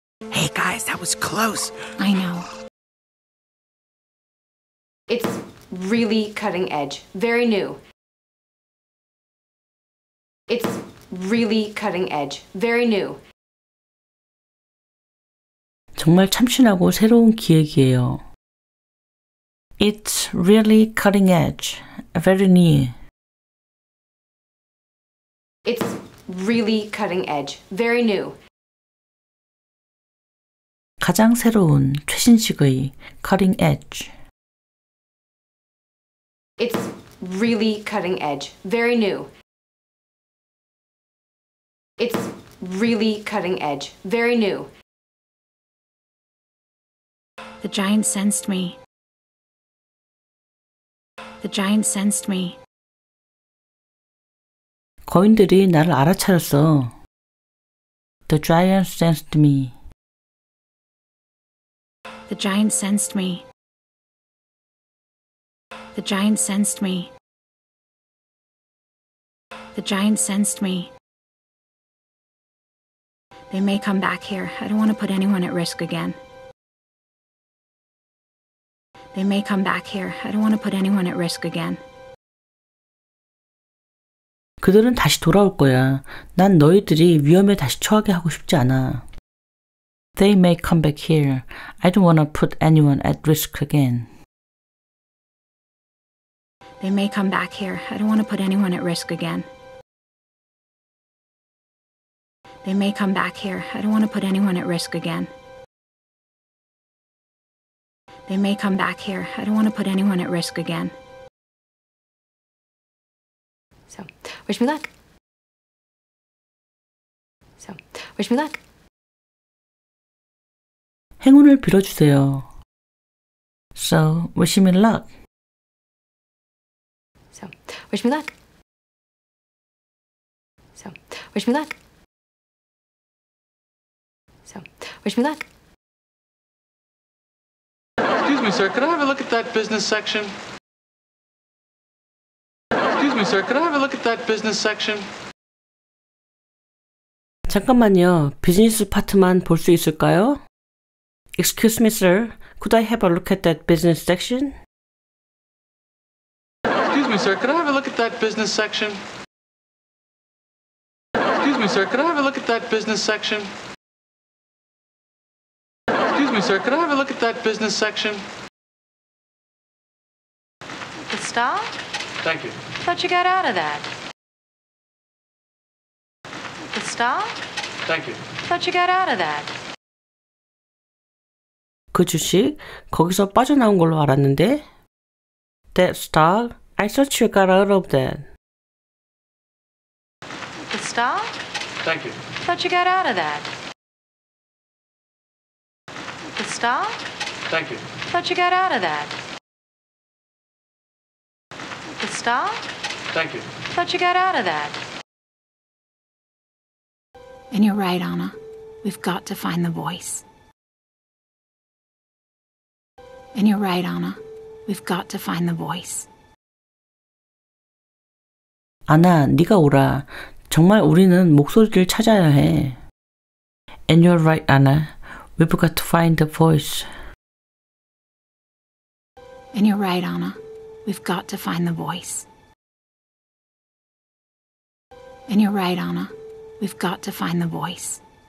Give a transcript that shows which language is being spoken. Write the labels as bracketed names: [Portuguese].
[English] Hey guys, that was close. I know. It's really cutting edge. Very new. It's really cutting edge. Very new. [Korean] 정말 참신하고 새로운 기획이에요. [English] It's really cutting edge. Very new. It's really cutting edge. Very new. [Korean] 가장 새로운 최신식의 [English] cutting edge. It's really cutting edge. Very new. It's really cutting edge. Very new. The giant sensed me. The giant sensed me. [Korean] 거인들이 나를 알아차렸어. [English] The giant sensed me. The giant sensed me. The giant sensed me. The giant sensed me. They may come back here. I don't want to put anyone at risk again. They may come back here. I don't want to put anyone at risk again. [Korean] 그들은 다시 돌아올 거야. 난 너희들이 위험에 다시 처하게 하고 싶지 않아. [English] They may come back here. I don't want to put anyone at risk again. They may come back here. I don't want to put anyone at risk again. They may come back here. I don't want to put anyone at risk again. They may come back here. I don't want to put anyone at risk again. So, wish me luck. So, wish me luck. [Korean] 행운을 빌어주세요. [English] So, wish me luck. So, wish me luck. So, wish me luck. So, wish me luck. Excuse me, sir, could I have a look at that business section? Excuse me, sir, could I have a look at that business section? [Korean] 잠깐만요, 비즈니스 파트만 볼 수 있을까요? [English] Excuse me, sir, could I have a look at that business section? Excuse me, sir, could I have a look at that business section? Excuse me, sir, could I have a look at that business section? Excuse me, sir, could I have a look at that business section? The stall? Thank you. I thought you got out of that. The stall? Thank you. I thought you got out of that. [Korean] 그 주식, 거기서 빠져나온 걸로 알았는데. [English] That stock, I thought you got out of that. The stock? Thank you. I thought you got out of that. The stock? Thank you. I thought you got out of that. The stock? Thank you. I thought you got out of that. And you're right, Anna. We've got to find the voice. And you're right, Anna. We've got to find the voice. [Korean] Anna, 네가 오라. 정말 우리는 목소리를 찾아야 해. [English] And you're right, Anna. We've got to find the voice. And you're right, Anna. We've got to find the voice. And you're right, Anna. We've got to find the voice.